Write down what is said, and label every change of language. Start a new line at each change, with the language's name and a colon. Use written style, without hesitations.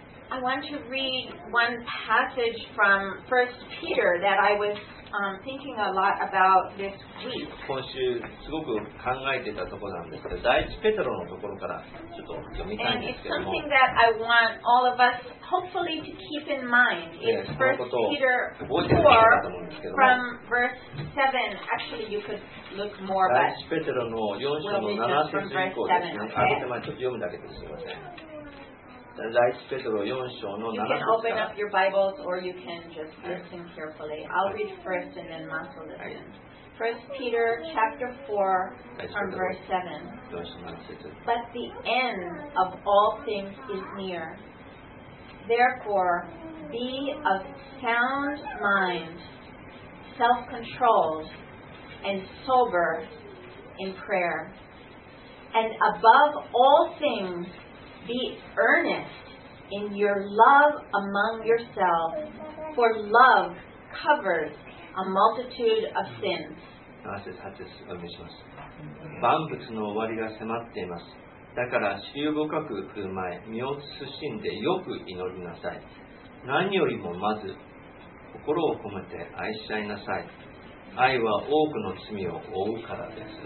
English: I want to read one passage from 1 Peter that I was thinking a lot about this week.
Japanese: 今週すごく考えてたところなんですけど、第1ペテロのところからちょっと読みたいんですけども。
English: And it's something that I want all of us hopefully to keep in mind. It's 1 Peter 4 from verse 7. Actually, you could look more, but
Japanese: 第1ペテロの4章の7節以降ですね。開けてまちょっと読むだけですみません。第1ペテロ4章の7節。
English: You can open up your Bibles or you can just listen carefully. I'll read first and then Mas will listen. 1 Peter chapter 4 from verse 7. But the end of all things is near. Therefore, be of sound mind, self-controlled, and sober in prayer. And above all things, be earnest in your love among yourselves, for love covers a multitude of sins.
Japanese: 7節、8節、お願いします。万物の終わりが迫っています。だから、思慮深く振る舞い、身を慎んでよく祈りなさい。何よりもまず、心を込めて愛し合いなさい。愛は多くの罪を覆うからです。